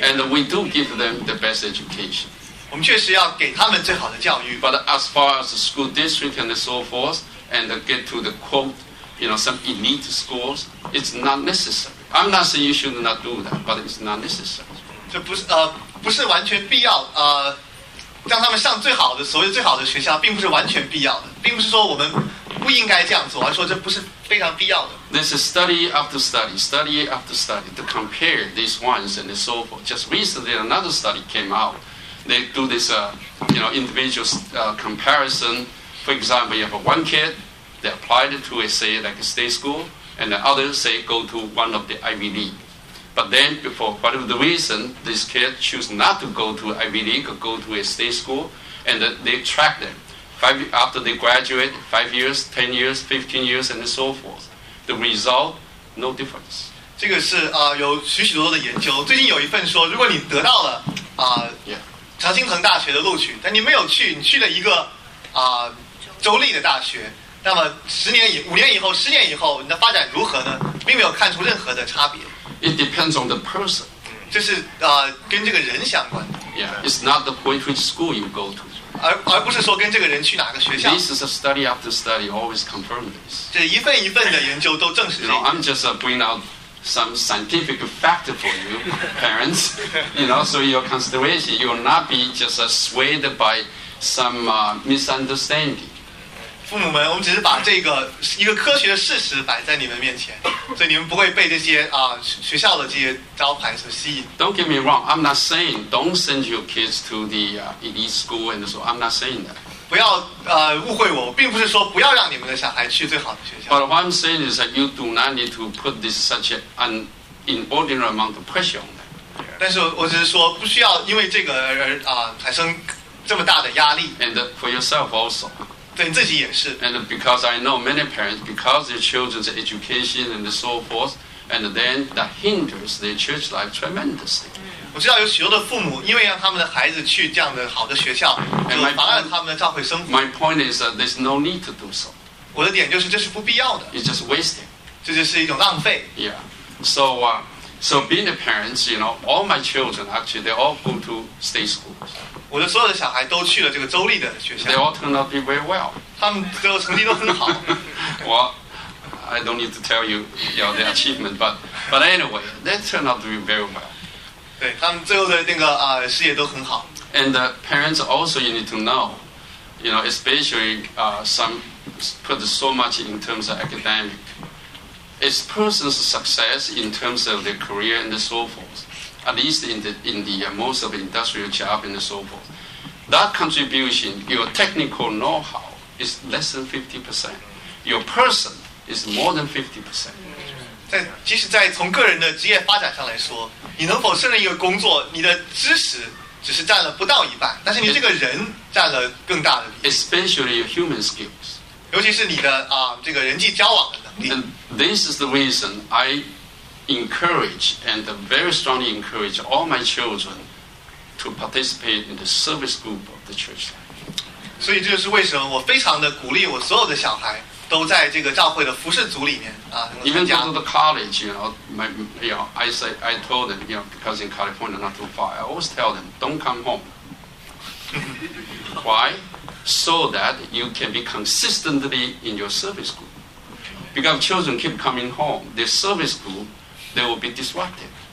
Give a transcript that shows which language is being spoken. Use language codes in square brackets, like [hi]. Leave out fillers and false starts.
[en] And we do give them the best education. [zh] 我们确实要给他们最好的教育。 [en] But as far as the school district and so forth, and get to the quote, you know, some elite schools, it's not necessary. I'm not saying you should not do that, but it's not necessary. [zh] 这不是完全必要让他们上最好的所谓最好的学校，并不是完全必要的，并不是说我们不应该这样做，而说这不是非常必要的。 [en] This is study after study, study after study to compare these ones and so forth. Just recently, another study came out. They do this, you know, individual comparison. For example, you have one kid, they applied to a say like a state school, and the other say go to one of the Ivy League. But then, for whatever the reason, this kid choose not to go to Ivy League or go to a state school, and they track them. After they graduate, 5 years, 10 years, 15 years, and so forth, the result no difference. [zh] 这个是有许许多多的研究。最近有一份说，如果你得到了常青藤大学的录取，但你没有去，你去了一个州立的大学，那么5年以后、10年以后，你的发展如何呢？并没有看出任何的差别。 [en] It depends on the person. [zh] 这是跟这个人相关的。 [en] Yeah, it's not the point which school you go to. [zh] 而不是说跟这个人去哪个学校。 [en] This is a study after study always confirmed this. [zh] 这一份一份的研究都证实了。 [en] You know, I'm just bringing out some scientific fact for you, parents. You know, so your consideration, you will not be just swayed by some misunderstanding. [zh] 父母们，我们只是把这个一个科学的事实摆在你们面前，所以你们不会被这些学校的这些招牌所吸引。 [en] Don't get me wrong, I'm not saying don't send your kids to the elite school and so I'm not saying that. [zh] 不要误会我，我并不是说不要让你们的小孩去最好的学校。 [en] But what I'm saying is that you do not need to put this such an inordinate amount of pressure on them. [zh] 但是我只是说不需要因为这个而产生这么大的压力。 [en] And for yourself also. [zh] 对自己也是。 [en] And because I know many parents, because their children's education and so forth, and then that hinders their church life tremendously. [zh] 我知道有许多的父母因为让他们的孩子去这样的好的学校，就妨碍他们的教会生活。 [en] My point is that there's no need to do so. [zh] 我的点就是这是不必要的。 [en] It's just wasting. [zh] 这就是一种浪费。 [en] Yeah. So being a parents, you know, all my children actually they all go to state schools. [zh] 我的所有的小孩都去了这个州立的学校。 [en] They all turned out to be very well. [zh] 他们的成绩都很好。 [en] Well, I don't need to tell you, you know, the achievement, but anyway, they turned out to be very well. [zh] 对，他们最后的那个事业都很好。 [en] And parents also you need to know, you know, especially some put so much in terms of academic. It's person's success in terms of their career and so forth. At least in the most of the industrial job and so forth, that contribution, your technical know-how is less than 50%. Your person is more than 50%. [zh] 在即使在从个人的职业发展上来说，你能否胜任一个工作，你的知识只是占了不到一半，但是你这个人占了更大的比例。 [en] Especially your human skills. [zh] 尤其是你的这个人际交往的能力。 [en] And this is the reason I. Encourage and very strongly encourage all my children to participate in the service group of the church. [zh] 所以这就是为什么我非常的鼓励我所有的小孩都在这个教会的服事组里面 [en] Even go to the college, you know, I told them, you know, because in California not too far, I always tell them, don't come home. Why? So that you can be consistently in your service group. Because children keep coming home, their service group. They will be disrupted.